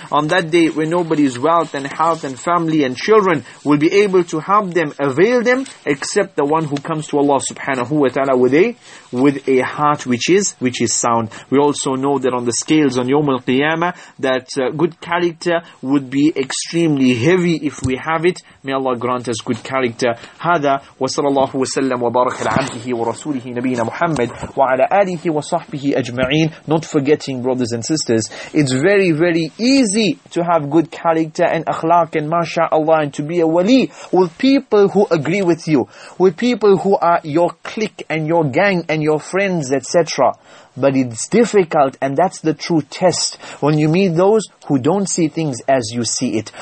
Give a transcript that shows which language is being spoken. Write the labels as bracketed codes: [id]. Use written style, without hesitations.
[en] On that day when nobody's wealth and health and family and children will be able to help them, avail them, except the one who comes to Allah subhanahu wa ta'ala with a heart which is sound. We also know that on the scales on يَوْمَ الْقِيَامَةِ that good character would be extremely heavy if we have it. May Allah grant us good character. [ar] هذا وصلى الله وسلم وبارك على عبده ورسوله نبينا محمد وعلى آله وصحبه أجمعين. [en] Not forgetting, brothers and sisters, it's very, very easy to have good character and akhlaq and mashallah and to be a wali with people who agree with you, with people who are your clique and your gang and your friends, etc. But it's difficult, and that's the true test, when you meet those who don't see things as you see it.